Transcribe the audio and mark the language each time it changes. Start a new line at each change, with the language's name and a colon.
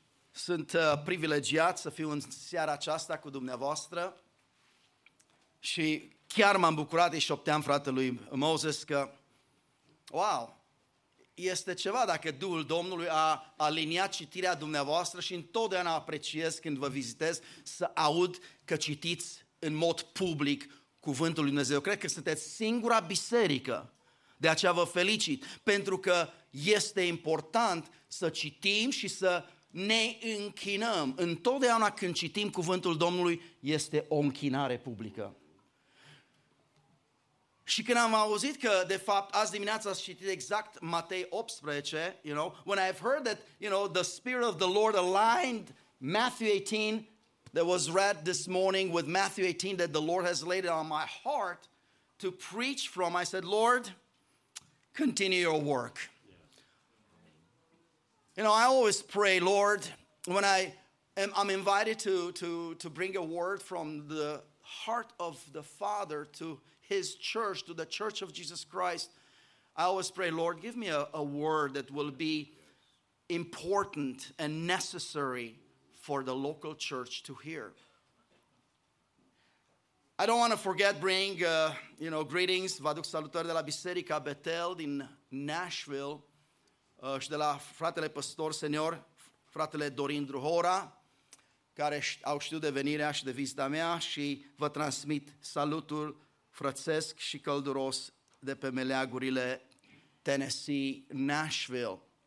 Romanian: Sunt privilegiat să fiu în seara aceasta cu dumneavoastră și chiar m-am bucurat și șopteam fratelui Moses că, wow, este ceva dacă Duhul Domnului a aliniat citirea dumneavoastră și întotdeauna apreciez când vă vizitez să aud că citiți în mod public cuvântul lui Dumnezeu. Cred că sunteți singura biserică, de aceea vă felicit, pentru că este important să citim și să ne închinăm. Întotdeauna când citim cuvântul Domnului, este o închinare publică. Și când am auzit că, de fapt, azi dimineața ați citit exact Matei 18,
English: you know, when I've heard that, you know, the Spirit of the Lord aligned Matthew 18 that was read this morning with Matthew 18 that the Lord has laid it on my heart to preach from, I said, Lord, continue your work. You know, I always pray, Lord, when I'm invited to bring a word from the heart of the Father to His church, to the church of Jesus Christ, I always pray, Lord, give me a word that will be important and necessary for the local church to hear. I don't want to forget bring you know greetings,
Romanian: vă aduc salutări de la Biserica Bethel din Nashville și de la fratele pastor senior, fratele Dorin Druhora, care au știut de venirea și de vizita mea și vă transmit salutul frățesc și călduros de pe meleagurile Tennessee, Nashville.